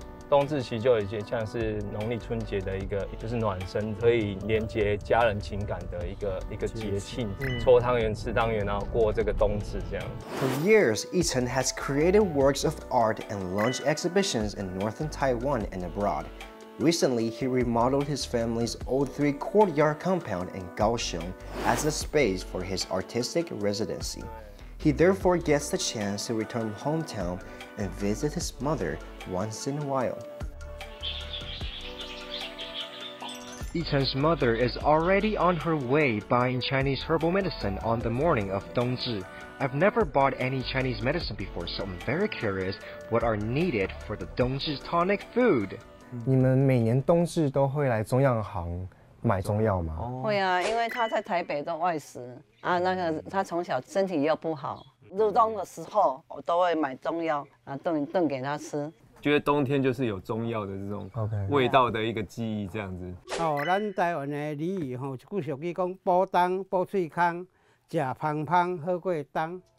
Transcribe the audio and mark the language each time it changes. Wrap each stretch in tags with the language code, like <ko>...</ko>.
<zh>Dongzi 其实就已经像是农历春节的一个就是暖身可以连接家人情感的一个节庆，搓汤圆吃汤圆，然后过这个冬至这样。For</zh> <en>years, I-chen has created works of art and launched exhibitions in northern Taiwan and abroad. Recently, he remodeled his family's old three-courtyard compound in Kaohsiung as a space for his artistic residency. He therefore gets the chance to return hometown and visit his mother once in a while. Yichen's mother is already on her way buying Chinese herbal medicine on the morning of Dongzi. I've never bought any Chinese medicine before, so I'm very curious what are needed for the Dongzi tonic food.</en> <zh>你们每年冬至都会来中药行买中药吗？会啊，因为他在台北都外食啊，那个他从小身体又不好，入冬的时候我都会买中药啊炖给他吃。觉得冬天就是有中药的这种味道的一个记忆这样子。哦，咱台湾的俚语吼，古俗语讲，补冬补喙空，食芳芳好过冬。</zh>